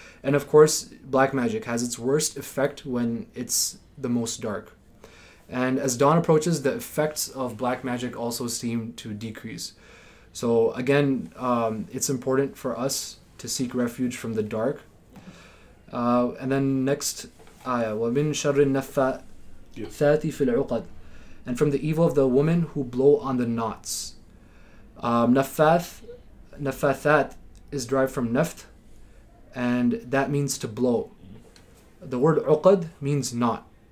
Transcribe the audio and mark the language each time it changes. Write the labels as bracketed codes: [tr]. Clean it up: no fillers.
[en] And of course, black magic has its worst effect when it's the most dark. And as dawn approaches, the effects of black magic also seem to decrease. So again, it's important for us to seek refuge from the dark. And then next ayah, [ar] وَمِن شَرِّ النَّفَّاثَاتِ فِي الْعُقَدِ. [en] And from the evil of the woman who blow on the knots. نَفَّاثَات is derived from نَفْت, and that means to blow. The word عُقَد means knot.